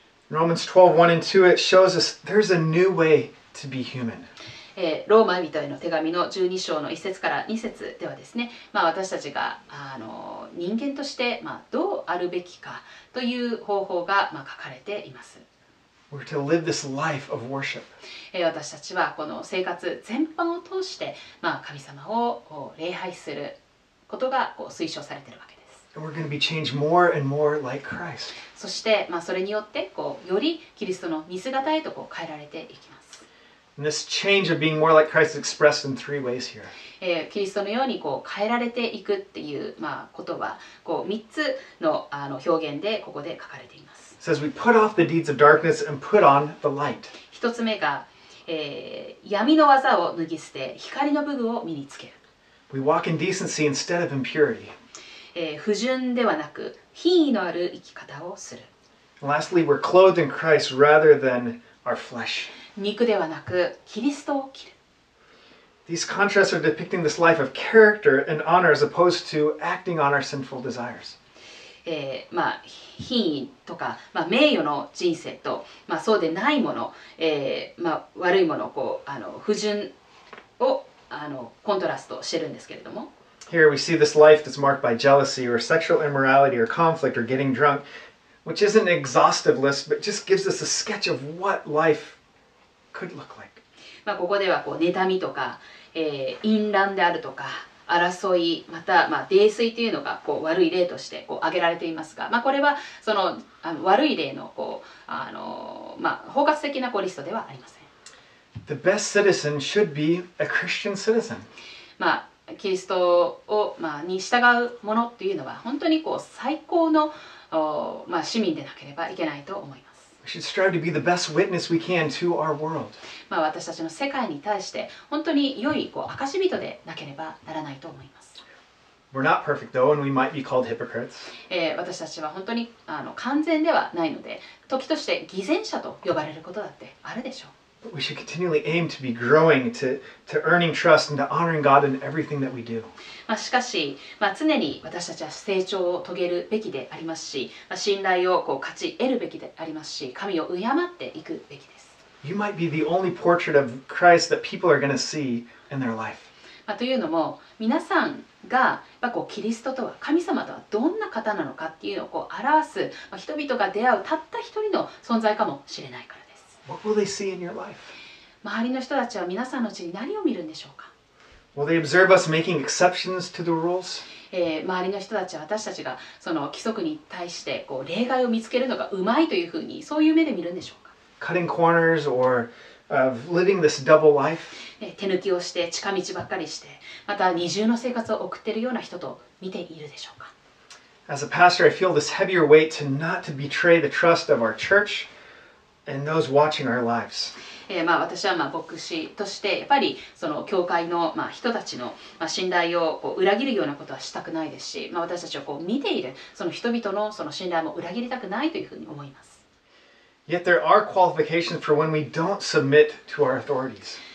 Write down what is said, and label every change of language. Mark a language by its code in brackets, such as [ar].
[en] Romans 12, 1 and 2, it shows us there's a new way to be human. [ja] ローマ人への手紙の12章の1節から2節ではですね、まあ、私たちが人間として、まあ、どうあるべきかという方法が、まあ、書かれています。 [en] We're to live this life of worship. [ja] 私たちはこの生活全般を通して、まあ、神様を礼拝することがこう推奨されているわけです。 [en] We're going to be changed more and more like Christ. [ja] そして、まあ、それによってこうよりキリストの似姿へとこう変えられていきます。 [en] And this change of being more like Christ is expressed in three ways here. [ja] キリストのようにこう変えられていくっていう、まあ、ことはこう3つの表現でここで書かれています。 [en] It says we put off the deeds of darkness and put on the light. [ja] 1つ目が、闇の技を脱ぎ捨て光の武具を身につける。 [en] We walk in decency instead of impurity. [ja] 不純ではなく品位のある生き方をする。 [en] Lastly, we're clothed in Christ rather than our flesh. [ja] 肉ではなくキリストを着る。 [en] These contrasts are depicting this life of character and honor as opposed to acting on our sinful desires. [ja] まあ品位とか、まあ、名誉の人生と、まあ、そうでないもの、まあ、悪いものこう不純をコントラストしてるんですけれども。 [en] Here we see this life that's marked by jealousy or sexual immorality or conflict or getting drunk, which isn't an exhaustive list, but just gives us a sketch of what life could look like. [ja] まあここではこう妬みとか、淫乱であるとか争いまたまあ泥酔というのがこう悪い例としてこう挙げられていますが、まあこれはその悪い例のこうまあ包括的なこうリストではありません。 [en] The best citizen should be a Christian citizen. [ja] まあキリストを、まあ、に従うものっていうのは本当にこう最高の、まあ、市民でなければいけないと思います。 [en] We should strive to be the best witness we can to our world. [ja] まあ私たちの世界に対して本当に良いこう証人でなければならないと思います。 [en] We're not perfect though, and we might be called hypocrites. [ja] 私たちは本当に完全ではないので、時として偽善者と呼ばれることだってあるでしょう。 [en] But we should continually aim to be growing, to earning trust and to honoring God in everything that we do. [ja] まあしかし、まあ常に私たちは成長を遂げるべきでありますし、まあ、信頼をこう勝ち得るべきでありますし、神を敬っていくべきです。 [en] You might be the only portrait of Christ that people are going to see in their life. [ja] まあというのも、皆さんがやっぱこうキリストとは神様とはどんな方なのかっていうのをこう表す、まあ、人々が出会うたった一人の存在かもしれないから。 [en] What will they see in your life? [ja] 周りの人たちは皆さんのうちに何を見るんでしょうか? [en] Will they observe us making exceptions to the rules? [ja] 周りの人たちは私たちがその規則に対してこう例外を見つけるのがうまいというふうにそういう目で見るんでしょうか? [en] Cutting corners or of living this double life? [ja] 手抜きをして近道ばっかりしてまた二重の生活を送っているような人と見ているでしょうか? [en] As a pastor, I feel this heavier weight to not to betray the trust of our church. And those watching our lives. [ja] まあ私はまあ牧師としてやっぱりその教会のまあ人たちのまあ信頼をこう裏切るようなことはしたくないですし、まあ私たちをこう見ているその人々のその信頼も裏切りたくないというふうに思います。 [en] Yet there are qualifications for when we don't submit to our authorities.